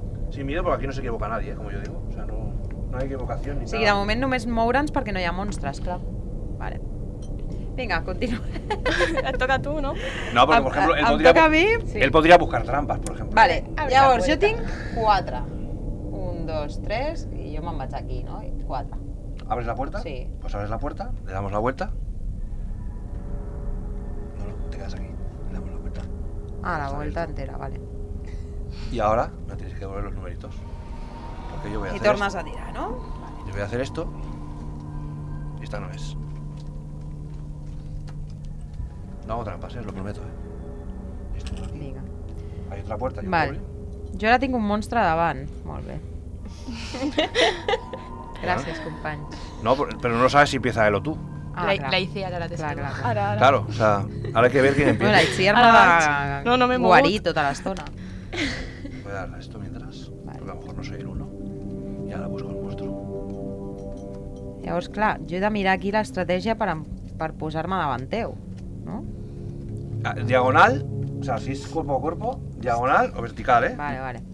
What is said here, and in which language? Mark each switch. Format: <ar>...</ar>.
<es>Sin miedo, porque aquí no se equivoca nadie, ¿eh? Como yo digo. O sea, no hay equivocación ni sí, nada.</es> <ca>Sí, de moment només moure'ns perquè no hi ha monstres, clar.</ca> <es>Vale. Venga, continúa. Et toca a tu, ¿no? No, pero por ejemplo, él podría, él podría buscar trampas, por ejemplo. Vale, entonces yo tengo 4. 1, 2, 3 y yo me voy aquí, ¿no? 4. ¿Abres la puerta? Sí. Pues abres la puerta, le damos la vuelta. No, no, te quedas aquí. Le damos la vuelta. Ah, la vuelta entera, vale. Y ahora me tienes que devolver los numeritos. Porque yo voy a hacer esto. Y tornas esto a tirar, ¿no? Vale. Yo voy a hacer esto. Y esta no es. No hago trampas, lo prometo.</es> <ca>Vinga.</ca> <es>Hay otra puerta.</es> <ca>Vale. Jo ara tinc un monstre davant. Molt bé. Gràcies, bueno, companys.</ca> <es>No, però no sabes si empieza él o tú.</es> <ca>Ah, la Itziar, ara t'estima. Ara.</ca> <es>Claro, o sea,</es> <ca>ara</ca> <es>hay que ver quién empieza.</es> <ca>La Itziar va guarir tota l'estona.</ca> <es>Voy a dar esto mientras. Vale. Porque a lo mejor no soy el uno. Y ahora busco el monstruo.</es> <ca>Llavors, clar, jo he de mirar aquí l'estratègia per posar-me davant teu.</ca> <es>Diagonal, o sea, si es cuerpo a cuerpo, diagonal o vertical, ¿eh? Vale, vale.</es>